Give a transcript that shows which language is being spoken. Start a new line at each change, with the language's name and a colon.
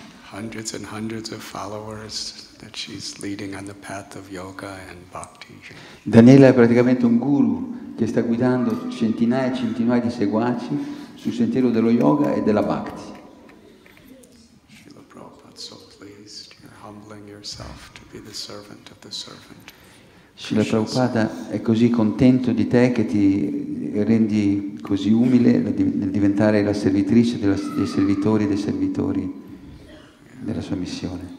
English: And hundreds of followers that she's leading on the path of yoga and bhakti.
Italian: Daniela è praticamente un guru che sta guidando centinaia e centinaia di seguaci sul sentiero dello yoga e della bhakti.
English: Srila Prabhupada, so pleased you're humbling yourself to be the servant of the servant.
Italian: Srila Prabhupada è così contento di te che ti rendi così umile nel diventare la servitrice dei servitori dei servitori della sua missione.